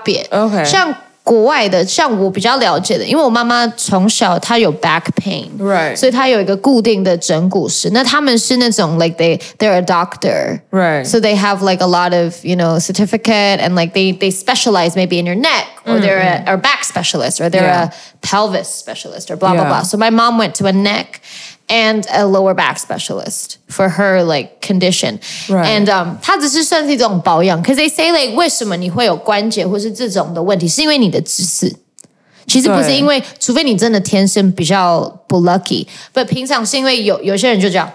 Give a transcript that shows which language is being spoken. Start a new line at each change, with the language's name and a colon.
Chinese: 但我觉得这是一种 国外的，像我比较了解的， 因为我妈妈从小她有 back pain，
English: right，
Chinese: 所以她有一个固定的整骨师， 那他们是那种
English: like they're a doctor， right， so they have like a lot of you know certificate and like they specialize maybe in your neck or mm-hmm. they're a or back specialist or they're yeah. a pelvis specialist or blah blah yeah. blah. So my mom went to a neck and a lower back specialist for her like condition. Right.
Chinese: And 他只是算是一种保养
English: because they say like
Chinese: 为什么你会有关节或是这种的问题是因为你的姿势其实不是因为除非你真的天生比较不 lucky 但平常是因为有些人就这样